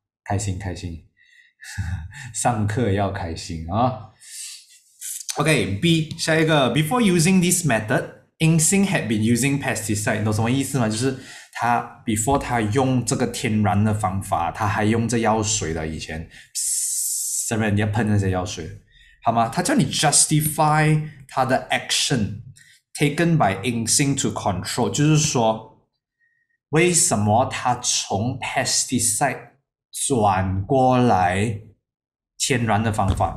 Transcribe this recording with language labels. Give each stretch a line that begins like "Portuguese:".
Chinese: 开心开心，上课要开心啊、哦。
English: OK, B
Chinese: 下一个
English: ，Before using this method, Ikson had been using pesticide.
Chinese: 懂什么意思吗？就是他 before 他用这个天然的方法，他还用这药水的。以前，下面你要喷那些药水，好吗？他叫你 justify 他的
English: action taken by Ikson to control，
Chinese: 就是说，为什么他从 pesticide 转过来天然的方法？